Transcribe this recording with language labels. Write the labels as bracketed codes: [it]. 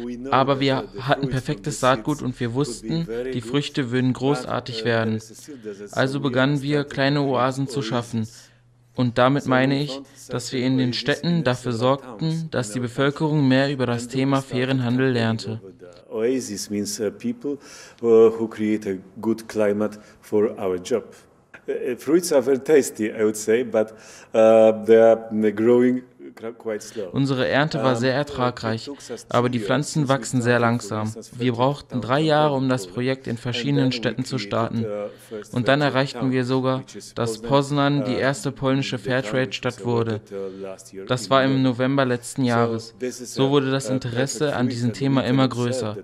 [de] Aber wir hatten perfektes Saatgut und wir wussten, die Früchte würden großartig werden. Also begannen wir, kleine Oasen zu schaffen. Und damit meine ich, dass wir in den Städten dafür sorgten, dass die Bevölkerung mehr über das Thema fairen Handel lernte. [en] Oasis means people who create a good climate for our job. Fruits are very tasty, I would say, but they are growing quite slow. [de] Unsere Ernte war sehr ertragreich, aber die Pflanzen wachsen sehr langsam. Wir brauchten 3 Jahre, um das Projekt in verschiedenen Städten zu starten. Und dann erreichten wir sogar, dass Poznan die erste polnische Fairtrade-Stadt wurde. Das war im November letzten Jahres. So wurde das Interesse an diesem Thema immer größer.